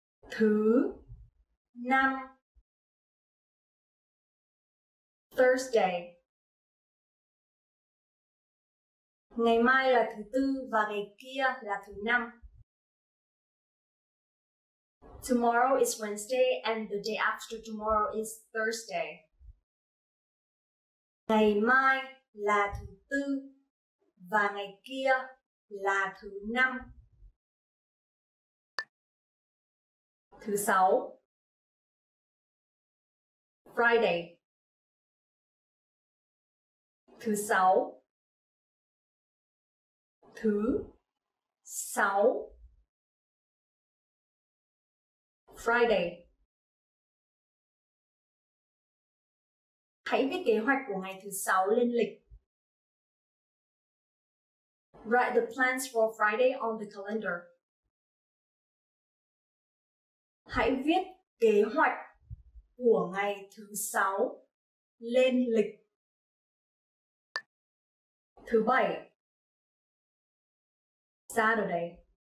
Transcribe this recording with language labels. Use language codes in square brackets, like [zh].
[vi] Thứ năm. [en] Thursday. [vi] Ngày mai là thứ tư và ngày kia là thứ năm. [en] Tomorrow is Wednesday and the day after tomorrow is Thursday. [vi] Ngày mai là thứ tư và ngày kia là thứ năm. Thứ sáu. [en] Friday. [vi] Thứ sáu. Thứ sáu. [en] Friday. [vi] Hãy viết kế hoạch của ngày thứ sáu lên lịch. [en] Write the plans for Friday on the calendar. [vi] Hãy viết kế hoạch của ngày thứ sáu lên lịch. Thứ bảy. [en] Saturday.